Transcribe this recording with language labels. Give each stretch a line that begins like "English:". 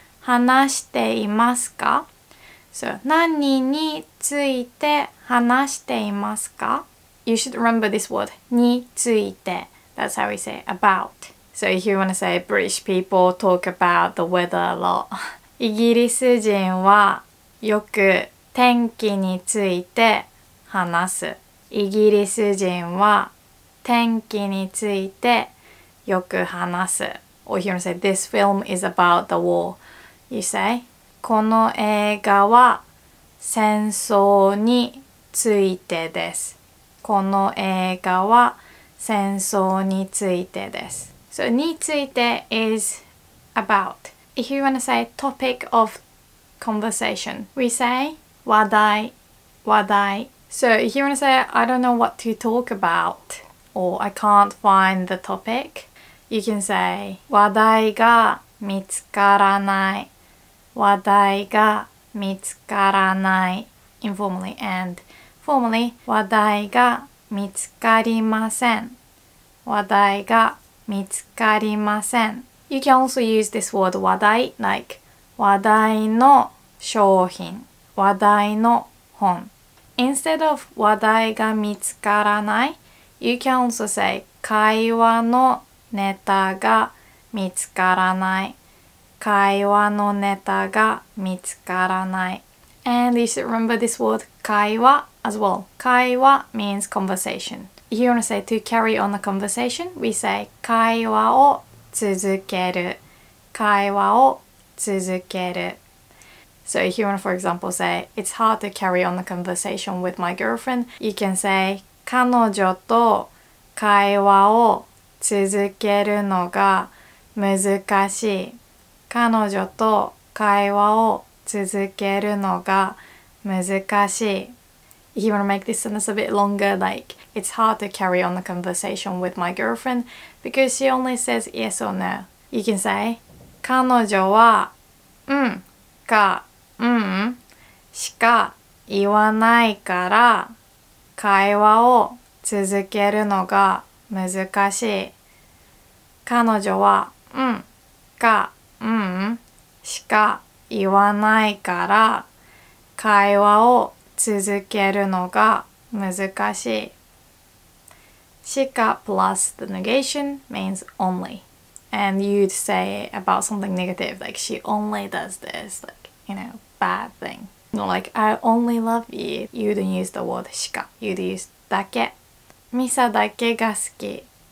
Japanese: 話していますか?
English: So
Japanese: 何について話していますか?
English: You should remember this word,
Japanese: について.
English: That's how we say about. So if you want to say British people talk about the weather a lot.
Japanese: イギリス人はよく天気について話す。イギリス人は天気についてよく話す。
English: Or if you want to say this film is about the war, you say
Japanese: この映画は戦争についてです。この映画は戦争についてです。
English: So, について is about. If you want to say topic of conversation, we say
Japanese: 話題、話題。
English: So, if you want to say I don't know what to talk about or I can't find the topic, you can say
Japanese: 話題が見つからない。話題が見つからない。
English: informally. And formally,
Japanese: 話題が見つかりません。話題が見つかりません。
English: You can also use this word 話題 like
Japanese: 話題の商品、話題の本。
English: Instead of
Japanese: 話題が見つからない、
English: You can also say
Japanese: 会話のネタが見つからない。会話のネタが見つからない。
English: And you should remember this word 会話 as well. 会話 means conversation. If you want to say to carry on a conversation, we say
Japanese: 会話を続ける。会話を続ける。
English: So if you want to, for example, say it's hard to carry on the conversation with my girlfriend, you can say
Japanese: 彼女と会話を続けるのが難しい。彼女と会話を続けるのが難しい。
English: If you want to make this sentence a bit longer, like, it's hard to carry on the conversation with my girlfriend because she only says yes or no. You can say,
Japanese: 彼女は、うん、か、うん、しか言わないから会話を続けるのが難しい。彼女は、うん、か、うん、しか言わないから会話を続けるのが難しい。
English: しか plus the negation means only. And you'd say about something negative, like she only does this, like, you know, bad thing. Not like, I only love you. You don't use the word しか. You'd use だけ.Misa
Japanese: だけが好き.